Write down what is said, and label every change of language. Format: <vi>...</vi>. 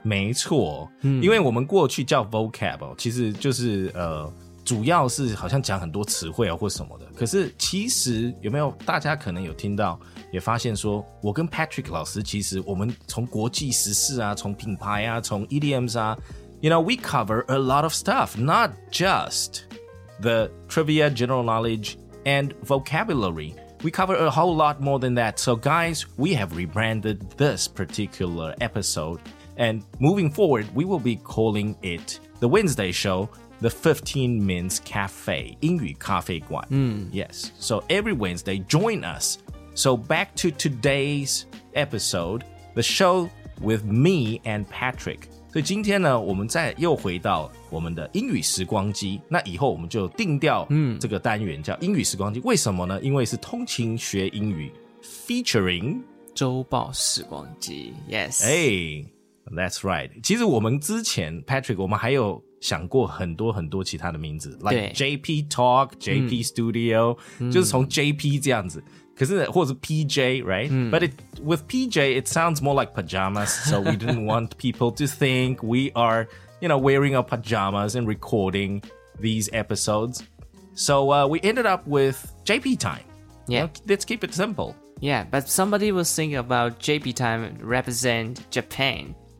<zh>没错，因为我们过去叫 vocab 哦，其实就是主要是好像讲很多词汇啊或什么的，可是其实有没有大家可能有听到，也发现说我跟 Patrick 老师其实我们从国际时事啊，从品牌啊，从 EDMs 啊 ，</zh> <en>you know we cover a lot of stuff， not just the trivia, general knowledge, and vocabulary。 We cover a whole lot more than that. So guys, we have rebranded this particular episode. And moving forward, we will be calling it the Wednesday show, the 15 Min's Cafe,</en> <zh>英语咖啡馆。</zh> <en>Yes. So every Wednesday, join us. So back to today's episode, the show with me and Patrick.</en> <zh>所以今天呢，我们再又回到我们的英语时光机。那以后我们就定掉这个单元叫英语时光机。为什么呢？因为是通勤学英语 featuring 周报时光机。</zh> <en>Yes，</en> <zh>哎、</zh> <en>hey, ，That's right。</en> <zh>其实我们之前 Patrick， 我们还有想过很多很多其他的名字 ，like JP Talk、JP Studio，就是从 JP 这样子。可是或者是 PJ,</zh> <en>right? But it, with PJ, it sounds more like pajamas. So we didn't want people to think we are, you know, wearing our pajamas and recording these episodes. So we ended up with JP time. Yeah. Let's keep it simple. Yeah, but somebody was thinking about JP time represent Japan.</en>